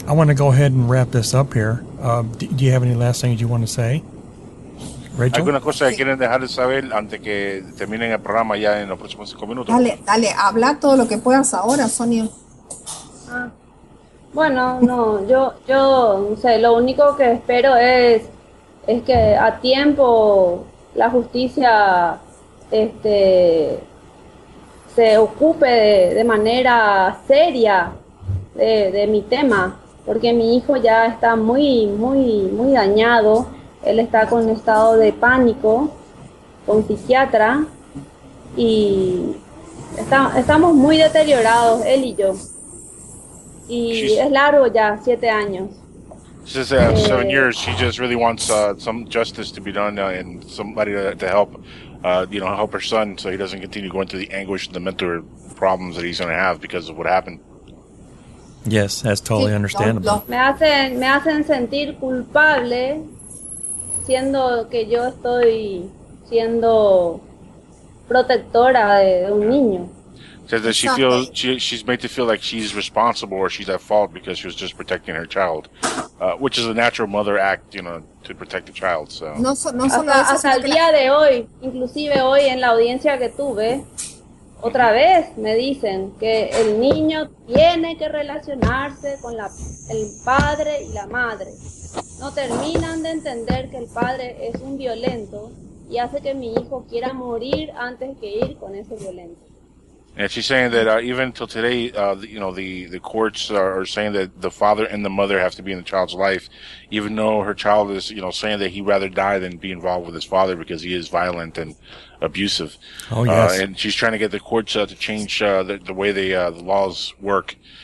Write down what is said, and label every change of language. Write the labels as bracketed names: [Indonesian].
[English] I want to go ahead and wrap this up here. Do you have any last things you want to say? Rachel? [Spanish] ¿Alguna cosa que quieren dejar de saber antes que terminen el programa ya en los próximos 5 minutos? Dale, habla todo lo que puedas ahora, Sonia. Bueno, no, yo no sé, lo único que espero es que a tiempo la justicia se ocupe de manera seria de mi tema, porque mi hijo ya está muy, muy, muy dañado, él está con estado de pánico, con psiquiatra, y estamos muy deteriorados, él y yo. Y es largo ya, 7 años. [English] She says 7 years. She just really wants some justice to be done and somebody to help, you know, help her son so he doesn't continue going through the anguish and the mental problems that he's going to have because of what happened. Yes, that's totally understandable. [Spanish] Me hacen sentir culpable siendo que yo estoy siendo protectora de un niño. [English] Says that she feels she's made to feel like she's responsible or she's at fault because she was just protecting her child, which is a natural mother act, you know, to protect the child. So [Spanish] hasta el día de hoy, inclusive hoy en la audiencia que tuve, otra vez me dicen que el niño tiene que relacionarse con la el padre y la madre. No terminan de entender que el padre es un violento y hace que mi hijo quiera morir antes que ir con ese violento. [English] And she's saying that even until today, you know, the courts are saying that the father and the mother have to be in the child's life, even though her child is, you know, saying that he'd rather die than be involved with his father because he is violent and abusive. Oh, yes. And she's trying to get the courts to change the way the laws work.